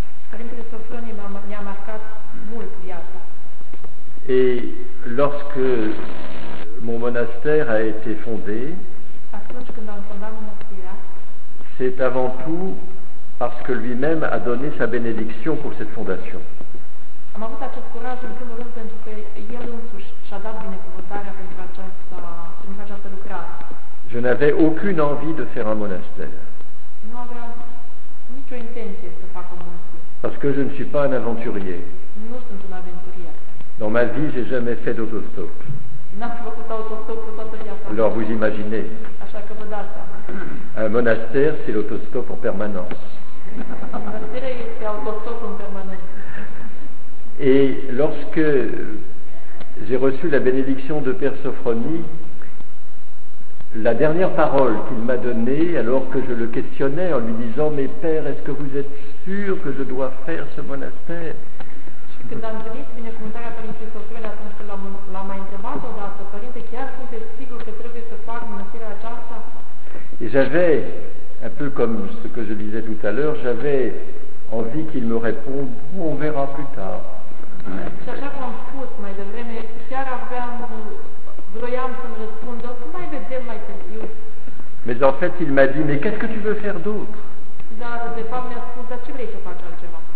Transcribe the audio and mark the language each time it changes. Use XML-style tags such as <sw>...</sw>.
<ro>Părintele Sofronie mi-a marcat mult viața.</ro> <fr>Et lorsque mon monastère a été fondé,</fr> <ro>atunci când am fondat monastirea,</ro> <fr>c'est avant tout parce que lui-même a donné sa bénédiction pour cette fondation.</fr> <ro>Am avut acest curaj în primul rând pentru că el însuși și-a dat binecuvântarea pentru această lucrare.</ro> <fr>Je n'avais aucune envie de faire un monastère.</fr> <ro>Nu aveam nicio intenție să fac o monastire.</ro> <fr>Parce que je ne suis pas un aventurier.</fr> <ro>Nu sunt un aventurier.</ro> <fr>Dans ma vie, j'ai jamais fait d'autostop.</fr> <ro>N-am făcut autostop în toată viața.</ro> <fr>Alors vous imaginez.</fr> <ro>Așa că vă dați seama.</ro> <fr>Un monastère, c'est l'autostop en permanence.</fr> <ro>Monastirea este autostop în permanență.</ro> <fr>Et lorsque j'ai reçu la bénédiction de Père Sophronie, la dernière parole qu'il m'a donnée, alors que je le questionnais en lui disant « Mais Père, est-ce que vous êtes sûr que je dois faire ce monastère ?» Quand j'ai venu la</fr> <ro>binecuvântarea Părintei Sofronie, atunci când l-am întrebat odată, « Părinte, chiar sunteți sigur că trebuie să fac monastirea aceasta ?»</ro> <fr>Et j'avais, un peu comme ce que je disais tout à l'heure, j'avais envie qu'il me réponde « On verra plus tard. »</fr> <ro>Și așa cum am spus mai devreme, chiar vroiam să-mi răspundă, mai vedem mai târziu.</ro> <fr>Mais en fait, il m'a dit, mais qu'est-ce que tu veux faire d'autre?</fr> <ro>Da, de fapt mi-a spus, dar ce vrei să faci altceva?</ro>